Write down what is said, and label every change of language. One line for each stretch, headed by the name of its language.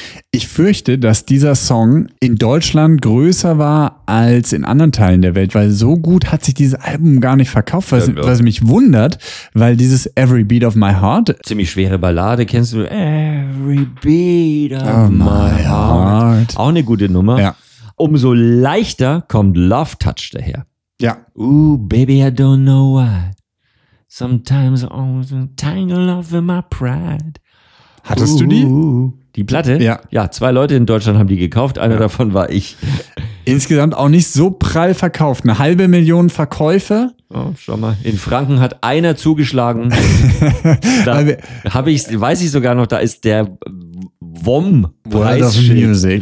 German: Ich fürchte, dass dieser Song in Deutschland größer war als in anderen Teilen der Welt, weil so gut hat sich dieses Album gar nicht verkauft, was mich wundert, weil dieses Every Beat of My Heart. Ziemlich schwere Ballade, kennst du? Every Beat of my heart. Auch eine gute Nummer. Ja. Umso leichter kommt Love Touch daher. Ja.
English: Ooh, baby, I don't know why. Sometimes I always tangle up with my pride.
German: Hattest du die? Die Platte? Ja. Ja, zwei Leute in Deutschland haben die gekauft. Einer davon war ich. Insgesamt auch nicht so prall verkauft. 500.000 Verkäufe. Oh, schau mal. In Franken hat einer zugeschlagen. Da habe ich, weiß ich sogar noch, da ist der WOM-Preisschild.